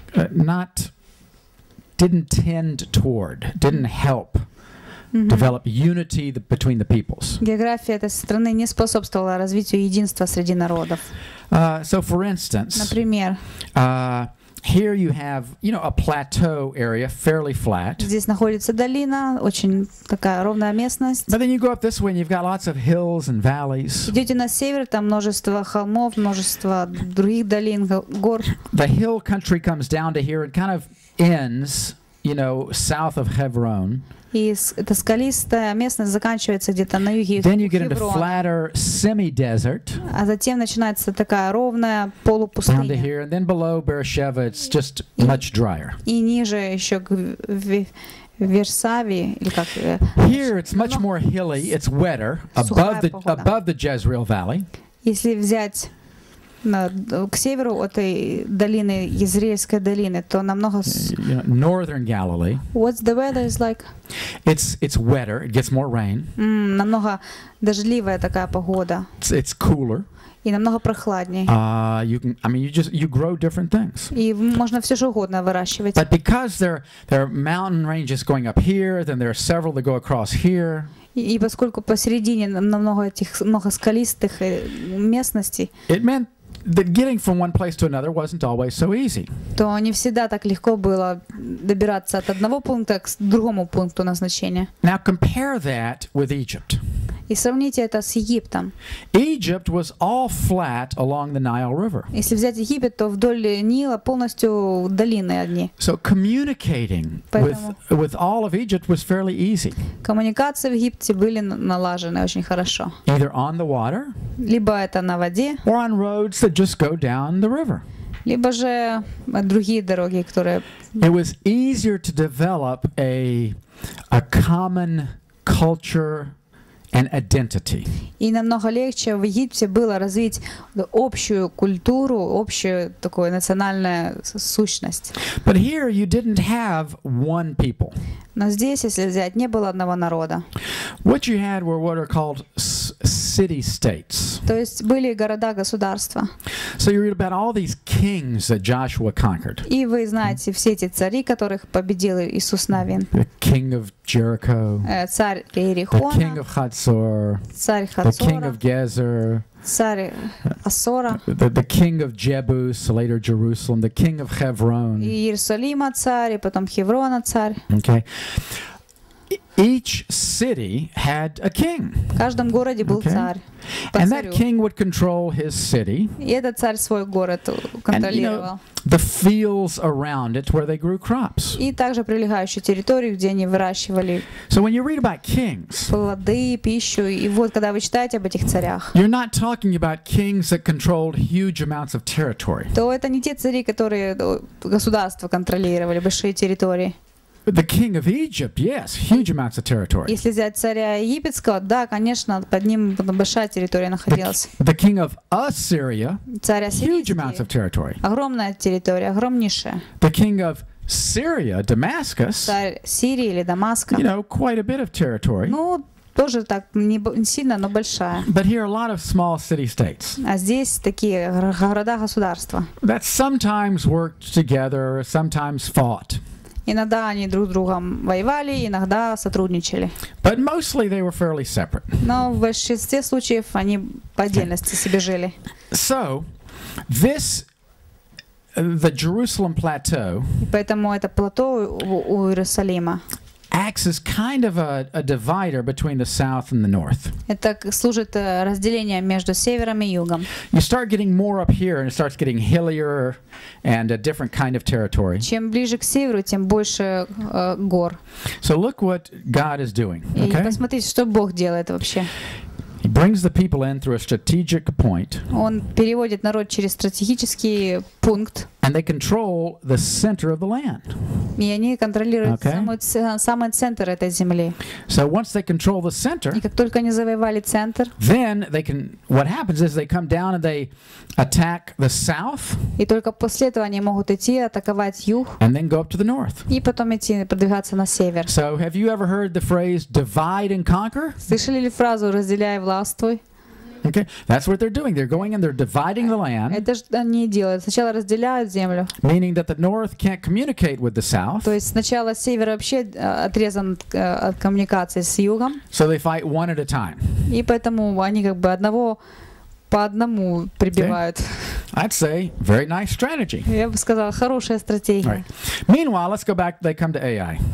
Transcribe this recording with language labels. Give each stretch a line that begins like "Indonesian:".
English: Not didn't tend toward, didn't help develop unity between the peoples.
Russian: География этой страны не способствовала развитию единства среди народов.
English: So for instance,
Russian: например,
English: here you have, you know, a plateau area, fairly flat.
Russian: Здесь находится долина, очень такая ровная местность.
English: But then you go up this way and you've got lots of hills and valleys.
Russian: Идете на север, там множество холмов, множество других долин, гор.
English: The hill country comes down to here and kind of ends, you know, south of Hebron.
Russian: И эта скалистая местность заканчивается где-то на юге Хеврона.
English: Then you get into flatter semi-desert.
Russian: А затем начинается такая ровная полупустыня.
English: Down to here, and then below Beersheba, it's just much drier.
Russian: И ниже еще к Вершаве или как?
English: Here it's much more hilly. It's wetter above the Jezreel Valley.
Russian: Если взять к северу от этой долины, Иезреельской долины, то намного...
English: You know, Northern Galilee. What's the weather is like? It's wetter, it gets more rain.
Russian: Намного дождливая такая погода.
English: It's cooler.
Russian: И намного прохладнее.
English: You grow different things.
Russian: И можно все что угодно выращивать.
English: But because there are mountain ranges going up here, then there are several that go across here.
Russian: И поскольку посередине намного этих много скалистых местностей.
English: It meant that getting from one place to another wasn't always so easy.
Russian: То не всегда так легко было добираться от одного пункта к другому пункту назначения.
English: Now compare that with Egypt.
Russian: И сравните это с Египтом.
English: Egypt was all flat along the Nile River.
Russian: Если взять Египет, то вдоль Нила полностью долины одни.
English: So communicating with all of Egypt was fairly easy.
Russian: Коммуникации в Египте были налажены очень хорошо.
English: Either on the water,
Russian: либо это на воде,
English: or on roads that just go down the river.
Russian: Либо же другие дороги, которые.
English: It was easier to develop a common culture and identity.
Russian: И намного легче в Египте было развить общую культуру, общую такую национальную сущность.
English: But here you didn't have one people.
Russian: Но здесь, если взять, не было одного народа.
English: What you had were what are called city-states.
Russian: То есть были города-государства.
English: So you read about all these kings that Joshua conquered.
Russian: И вы знаете все эти цари, которых победил Иисус Навин.
English: The king of Jericho.
Russian: Царь Иерихона.
English: The king of Hatzor.
Russian: Царь Хатсора.
English: The king of Gezer.
Russian: Царь Ассора.
English: The king of Jebus, later Jerusalem. The king of Hebron.
Russian: И Иерусалима царь, и потом Хеврона царь.
English: Okay. Each city had a king.
Russian: В каждом городе был царь.
English: And that king would control his city.
Russian: И этот царь свой город контролировал.
English: And, you know, the fields around it where they grew crops.
Russian: И также прилегающую территорию, где они выращивали.
English: So when you read about kings,
Russian: плоды, пищу, и вот когда вы читаете об этих царях,
English: you're not talking about kings that controlled huge amounts of territory.
Russian: То это не те цари, которые государство контролировали большие территории.
English: The king of Egypt, yes, huge amounts of territory.
Russian: Если взять царя египетского, да, конечно, под ним большая территория находилась.
English: The king of Assyria,
Russian: царь Ассирии,
English: huge amounts of territory.
Russian: Огромная территория, огромнейшая.
English: The king of Syria, Damascus,
Russian: царь Сирии или Дамаска,
English: you know, quite a bit of territory.
Russian: Ну, тоже так, не сильно, но большая.
English: But here are a lot of small city-states.
Russian: А здесь такие города-государства.
English: That sometimes worked together, sometimes fought.
Russian: Иногда они друг с другом воевали, иногда сотрудничали.
English: But mostly they were fairly separate.
Russian: Но в большинстве случаев они по отдельности себе жили.
English: So, this, the Jerusalem plateau,
Russian: и поэтому это плато у Иерусалима
English: acts as kind of a divider between the south and the north.
Russian: Это служит разделением между севером и югом.
English: You start getting more up here and it starts getting hillier and a different kind of territory.
Russian: Чем ближе к северу, тем больше гор.
English: So look what God is doing, okay?
Russian: И посмотрите, что Бог делает вообще.
English: He brings the people in through a strategic point.
Russian: Он переводит народ через стратегический пункт.
English: And they control the center of the land.
Russian: И они контролируют самый центр этой земли.
English: So once they control the center,
Russian: и как только они завоевали центр,
English: then they can. What happens is they come down and they attack the south.
Russian: И только после этого они могут идти атаковать юг.
English: And then go up to the north.
Russian: И потом идти продвигаться на север.
English: So have you ever heard the phrase "divide and conquer"?
Russian: Слышали ли фразу "разделяй и властвуй"?
English: Okay, that's what they're doing. They're going and they're dividing the land.
Russian: Это же они делают. Сначала разделяют землю.
English: Meaning that the north can't communicate with the south.
Russian: То есть сначала север вообще отрезан от коммуникации с югом.
English: So they fight one at a time.
Russian: И поэтому они как бы одного по одному прибивают.
English: Okay. I'd say very nice strategy.
Russian: Я бы сказала, хорошая стратегия.
English: Right. Meanwhile, let's go back. They come to Ai.